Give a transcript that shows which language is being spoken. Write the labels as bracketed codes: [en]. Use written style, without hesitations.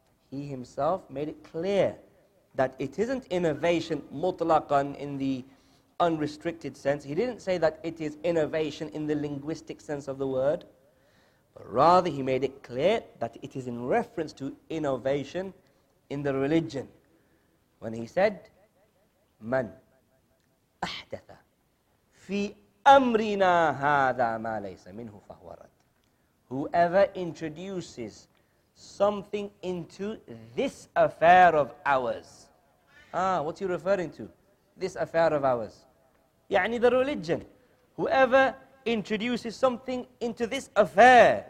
[en] He himself made it clear that it isn't innovation mutlaqan in the unrestricted sense. He didn't say that it is innovation in the linguistic sense of the word, but rather he made it clear that it is in reference to innovation in the religion. [ar] When he said, man أحدث في أمرنا هذا ما ليس منه فهو رد. [en] Whoever introduces something into this affair of ours. What are you referring to? This affair of ours. يعني the religion. Whoever introduces something into this affair.